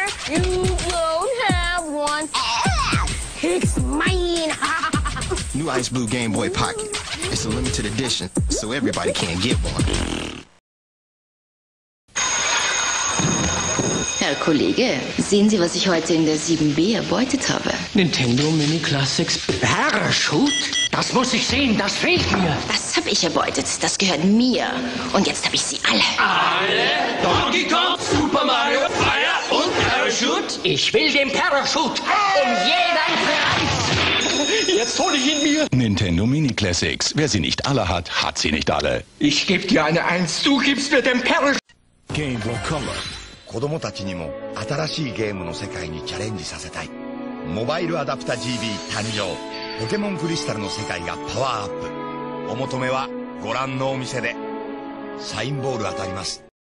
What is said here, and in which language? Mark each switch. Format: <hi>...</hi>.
<en>You won't have one. It's mine. New Ice Blue Game Boy Pocket. It's a limited edition, so everybody can get one.</en> <de>Herr Kollege, sehen Sie, was ich heute in der 7B erbeutet habe? Nintendo Mini Classics Parachute? Das muss ich sehen, das fehlt mir. Das habe ich erbeutet, das gehört mir. Und jetzt habe ich sie alle. Alle? Donkey Kong, Super Mario, Fire und Parachute? Ich will den Parachute um jeden Preis. Jetzt hole ich ihn mir.</de> <en>Nintendo Mini Classics.</en> <de>Wer sie nicht alle hat, hat sie nicht alle. Ich geb dir eine Eins. Du gibst mir den Perl.</de> <en>Game Boy Color.</en> <ja>子供たちにも新しいゲームの世界にチャレンジさせたい。モバイルアダプタGB 誕生。ポケモンクリスタルの世界がパワーアップ。お求めはご覧のお店で。サインボール当たります。</ja>